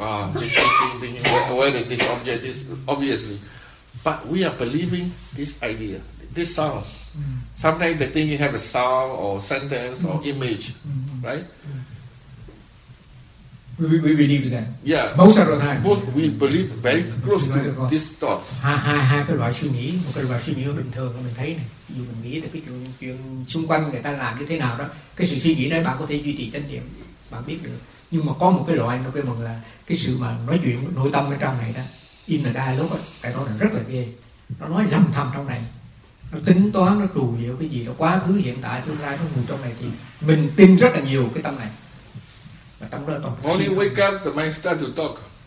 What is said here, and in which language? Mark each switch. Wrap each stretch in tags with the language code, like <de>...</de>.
<en>This thinking, where this object is, obviously. But we are believing this idea, this sound. Mm. Sometimes the thinking have a sound or sentence or image, right? We believe that. Yeah. Most of the time. Both we believe very close to this thought.</en> <vi>Hai cái loại suy nghĩ, một cái loại suy nghĩ bình thường mình thấy này. Dù mình nghĩ là cái chuyện xung quanh người ta làm như thế nào đó, cái sự suy nghĩ đấy bạn có thể duy trì chánh niệm, bạn biết được. Nhưng mà có một cái loại nó kêu bằng là cái sự mà nói chuyện nội tâm ở trong này đó,</vi> <en>in the dialogue,</en> <vi>cái đó là rất là ghê. Nó nói lầm thầm trong này. Nó tính toán, nó trù diệu cái gì đó, quá khứ, hiện tại, tương lai, nó ngủ trong này thì mình tin rất là nhiều cái tâm này. Only wake up, the mind start to talk.</vi>